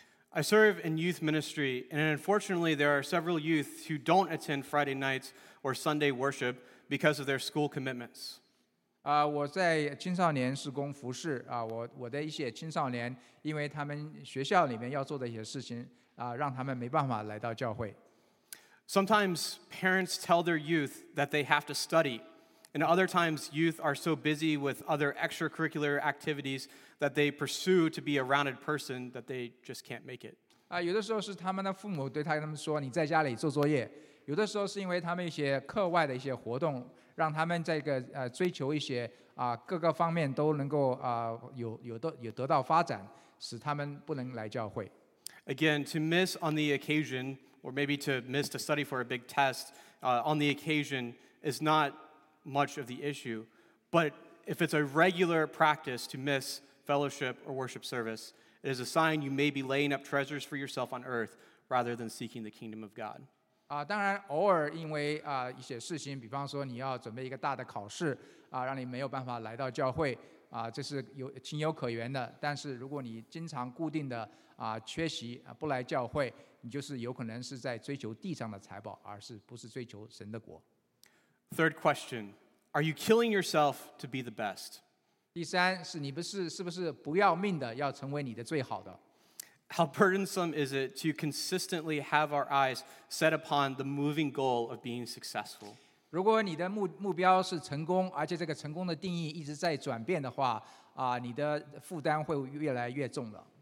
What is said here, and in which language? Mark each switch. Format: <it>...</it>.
<en>I serve in youth ministry, and unfortunately, there are several youth who don't attend Friday nights or Sunday worship because of their school commitments.</en> <zh>我在青少年事工服侍, 我的一些青少年, 因为他们学校里面要做的一些事情, 让他们没办法来到教会。</zh> <en>Sometimes parents tell their youth that they have to study, and other times youth are so busy with other extracurricular activities that they pursue to be a rounded person that they just can't make it.</en> <zh>有的时候是他们的父母对他们说你在家里做作业, 有的时候是因为他们一些课外的一些活动, 让他们在追求一些, 各个方面都能够, 有得到发展, 使他们不能来教会。</zh> <en>Again, to miss on the occasion, or maybe to miss to study for a big test, on the occasion is not much of the issue. But if it's a regular practice to miss fellowship or worship service, it is a sign you may be laying up treasures for yourself on earth rather than seeking the kingdom of God.</en> <zh>当然偶尔因为一些事情, 比方说你要准备一个大的考试, 让你没有办法来到教会, 这是情有可原的, 但是如果你经常固定的, 缺席, 不来教会, 你就是有可能是在追求地上的财宝, 而是不是追求神的国。</zh> <en>Third question, are you killing yourself to be the best?</en> <zh>第三,是你不是不要命的要成为你的最好的。</zh> <en>How burdensome is it to consistently have our eyes set upon the moving goal of being successful?</en> <zh>如果你的目标是成功,而且这个成功的定义一直在转变的话, 你的负担会越来越重的。</zh>